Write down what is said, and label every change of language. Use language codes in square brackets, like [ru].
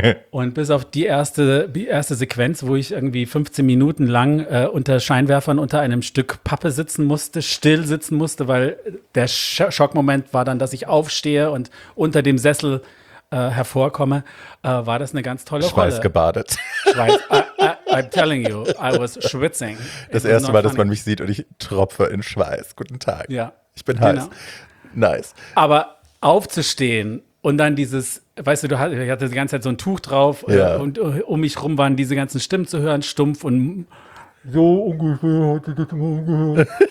[de] Und bis auf die erste Sequenz, wo ich irgendwie 15 Minuten lang unter Scheinwerfern unter einem Stück Pappe sitzen musste, still sitzen musste, weil der Schockmoment war dann, dass ich aufstehe und unter dem Sessel hervorkomme, war das eine ganz tolle Schweißgebadet. Rolle. Schweißgebadet. [en] I'm telling you, I was schwitzing. [de] Das erste Mal, dass man mich sieht und ich tropfe in Schweiß. Guten Tag. Ja. Ich bin heiß. Genau. Nice. Aber aufzustehen und dann dieses, weißt du, ich hatte die ganze Zeit so ein Tuch drauf, ja. Und um mich rum waren diese ganzen Stimmen zu hören, stumpf und so ungefähr hatte ich das mal angehört.